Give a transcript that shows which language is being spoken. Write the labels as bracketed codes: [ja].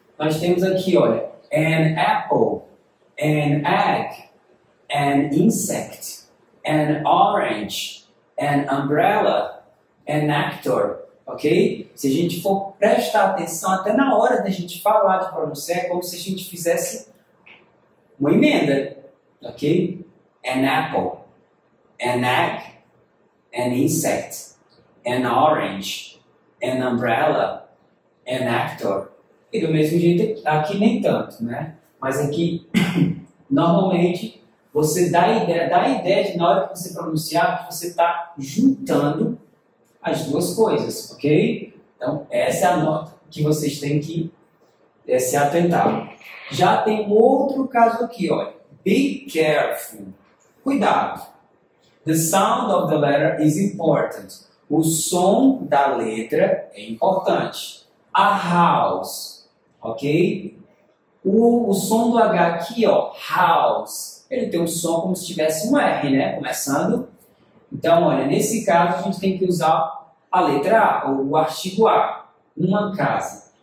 [pt] Nós temos aqui, olha, [en] an apple, an egg, an insect, an orange, an umbrella, an actor, [pt] ok? Se a gente for prestar atenção até na hora da gente falar de pronunciar, é como se a gente fizesse uma emenda, ok? [en] An apple, an egg, an insect, an orange, an umbrella, an actor. [pt] E do mesmo jeito, aqui nem tanto, né? Mas aqui, normalmente, você dá a ideia de, na hora que você pronunciar, que você está juntando as duas coisas, ok? Então, essa é a nota que vocês têm que se atentar. Já tem um outro caso aqui, olha. [en] Be careful. [pt] Cuidado. [en] The sound of the letter is important. [pt] O som da letra é importante. A house, ok? O som do H aqui, ó, house, ele tem um som como se tivesse um R, né? Começando. Então, olha, nesse caso a gente tem que usar a letra A, ou o artigo A, uma casa.